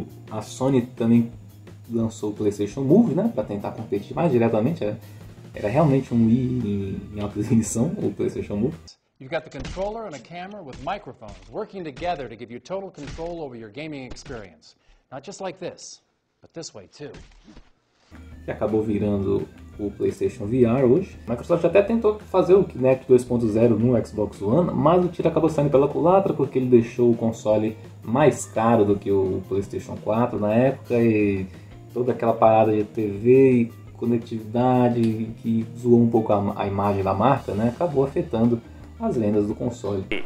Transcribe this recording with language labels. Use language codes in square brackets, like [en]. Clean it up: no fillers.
[pt] A Sony também lançou o PlayStation Move, né, para tentar competir mais diretamente. Era realmente um Wii em alta definição, o PlayStation Move. [en] You've got the controller and a camera with microphones working together to give you total control over your gaming experience. Not just like this, but this way too. [pt] E acabou virando o PlayStation VR hoje. A Microsoft até tentou fazer o Kinect 2.0 no Xbox One, mas o tiro acabou saindo pela culatra porque ele deixou o console mais caro do que o PlayStation 4 na época, e toda aquela parada de TV e conectividade que zoou um pouco a imagem da marca, né, acabou afetando as vendas do console.